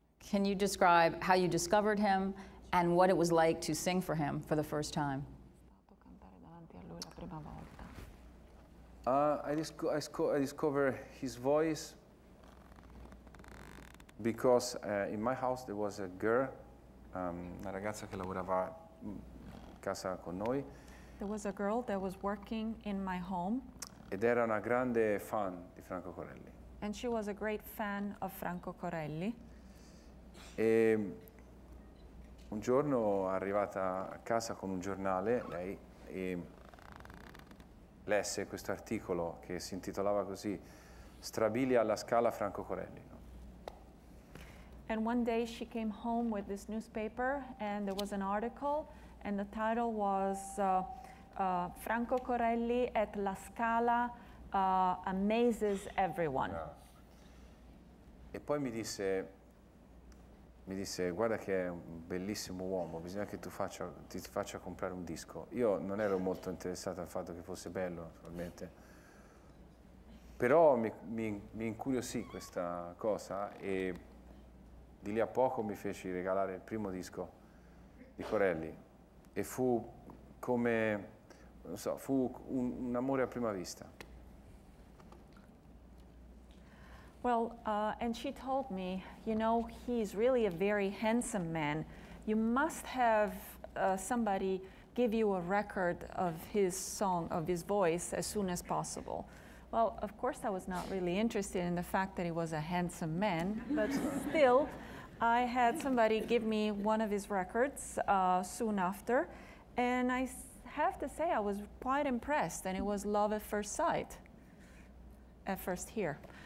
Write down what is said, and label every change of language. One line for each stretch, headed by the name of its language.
English: Can you describe how you discovered him and what it was like to sing for him for the first time? I discovered his voice because in my house there was a girl,
Italian: una ragazza che lavorava in casa con noi.
English: There was a girl that was working in my home.
Italian: Ed era una grande fan di Franco Corelli.
English: And she was a great fan of Franco Corelli.
Italian: E un giorno è arrivata a casa con un giornale, lei, e lesse questo articolo che si intitolava così, Strabilia alla Scala Franco Corelli. No?
English: And one day she came home with this newspaper and there was an article and the title was Franco Corelli at La Scala amazes everyone.
Italian: Yeah. E poi mi disse, guarda che è un bellissimo uomo, bisogna che tu ti faccia comprare un disco. Io non ero molto interessato al fatto che fosse bello, naturalmente. Però mi incuriosì questa cosa e di lì a poco mi feci regalare il primo disco di Corelli. E fu come, non so, fu un amore a prima vista.
English: Well, and she told me, you know, he's really a very handsome man. You must have somebody give you a record of his song, of his voice, as soon as possible. Well, of course, I was not really interested in the fact that he was a handsome man, but still, I had somebody give me one of his records soon after, and I have to say I was quite impressed, and it was love at first sight, at first hear.